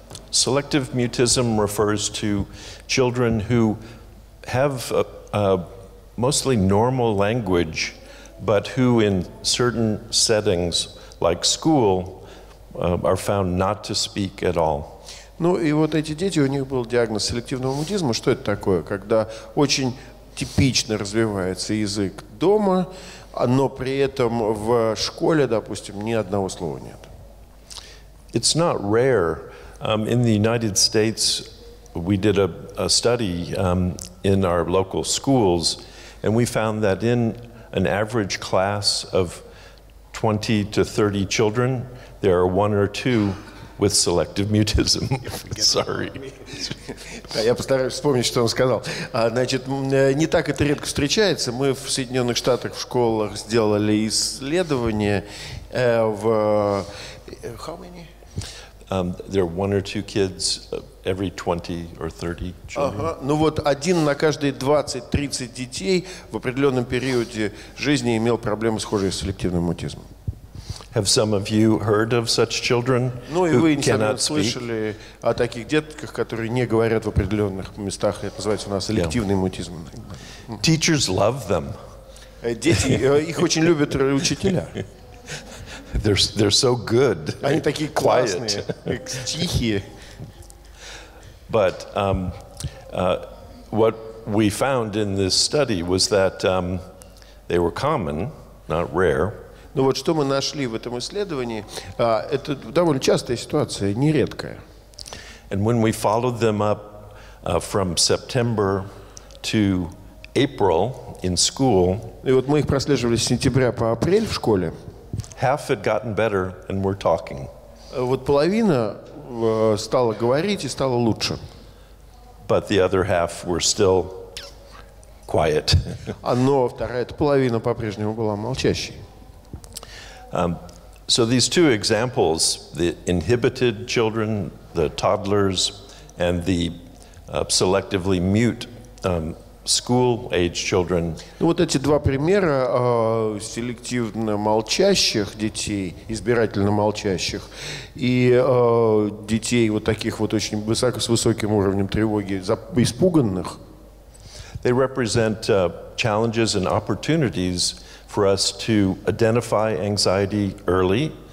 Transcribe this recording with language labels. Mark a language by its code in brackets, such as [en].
[en] Selective mutism refers to children who have a mostly normal language, but who in certain settings, like school, are found not to speak at all. [ru] Ну и вот эти дети, у них был диагноз селективного мутизма. Что это такое? Когда очень типично развивается язык дома, но при этом в школе, допустим, ни одного слова нет. [en] It's not rare. In the United States, we did a study in our local schools, and we found that in an average class of 20 to 30 children, there are one or two with selective mutism. Sorry. [ru] Я постараюсь вспомнить, что он сказал. Значит, не так это редко встречается. Мы в Соединенных Штатах в школах сделали исследование в... [en] How many? There are one or two kids every 20 or 30 children. Ага. [ru] Ну вот один на каждые 20-30 детей в определенном периоде жизни имел проблемы, схожие с селективным мутизмом. [en] Have some of you heard of such children ну, who [ru] вы, [en] cannot speak? [ru] Слышали о таких детках, которые не говорят в определенных местах. Это называется у нас селективный мутизм. [en] Teachers love them. [ru] Дети, их очень любят учителя. [en] They're so good. [ru] Они такие классные, тихие. [en] But what we found in this study was that they were common, not rare. [ru] Ну вот что мы нашли в этом исследовании, это довольно частая ситуация, нередкая. [en] And when we followed them up from September to April in school, [ru] и вот мы их прослеживали с сентября по апрель в школе, [en] half had gotten better and were talking. [ru] Вот половина стала говорить и стала лучше. [en] But the other half were still quiet. [ru] А но вторая половина по-прежнему была молчащей. [en] So these two examples, the inhibited children, the toddlers, and the selectively mute school-age children. [ru] Ну вот эти два примера селективно молчащих детей, избирательно молчащих, и детей вот таких вот очень высоко, с высоким уровнем тревоги, испуганных. [en] They represent challenges and opportunities for us to identify anxiety early.